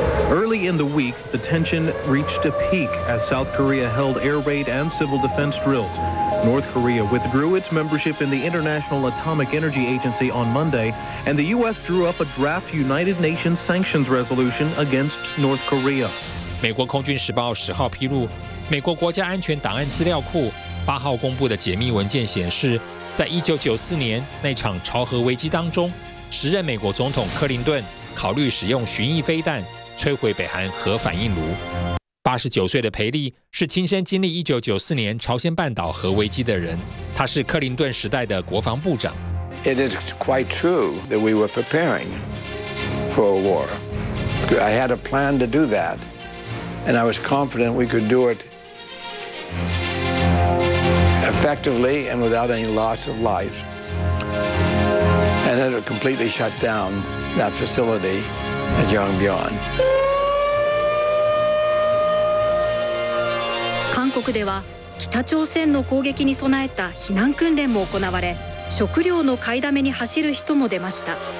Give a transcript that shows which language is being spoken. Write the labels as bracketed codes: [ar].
[en] Early in the week, the tension reached a peak as South Korea held air raid and civil defense drills. North Korea withdrew its membership in the International Atomic Energy Agency on Monday, and the U.S. drew up a draft United Nations sanctions resolution against North Korea. [zh] 美国空军时报十号披露。美国国家安全档案资料库八号公布的解密文件显示，在1994年那场朝核危机当中，时任美国总统克林顿考虑使用巡弋飞弹摧毁北韩核反应炉。 89岁的裴利是亲身经历1994年朝鲜半岛核危机的人，他是克林顿时代的国防部长。 [en] It is quite true that we were preparing for a war. I had a plan to do that. And I was confident we could do it effectively and without any loss of life. And it had completely shut down that facility at Yongbyon. [ja] 韓国では北朝鮮の攻撃に備えた避難訓練も行われ、食料の買いだめに走る人も出ました。